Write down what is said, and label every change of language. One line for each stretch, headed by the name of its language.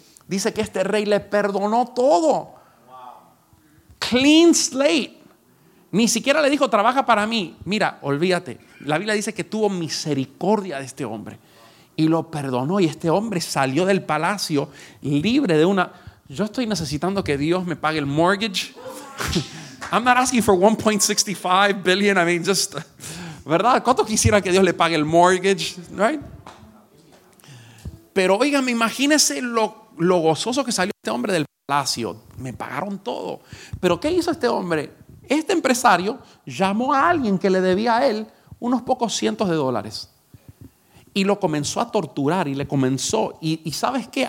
Spanish: Dice que este rey le perdonó todo.
English: Clean slate.
Spanish: Ni siquiera le dijo, trabaja para mí. Mira, olvídate. La Biblia dice que tuvo misericordia de este hombre. Y lo perdonó. Y este hombre salió del palacio libre de una... Yo estoy necesitando que Dios me pague el mortgage.
English: I'm not asking for 1.65 billion. I mean, just...
Spanish: ¿Verdad? ¿Cuánto quisiera que Dios le pague el mortgage? Right? Pero oígame, imagínese lo gozoso que salió este hombre del palacio. Me pagaron todo. ¿Pero qué hizo este hombre? Este empresario llamó a alguien que le debía a él unos pocos cientos de dólares y lo comenzó a torturar y le comenzó. Y ¿sabes qué?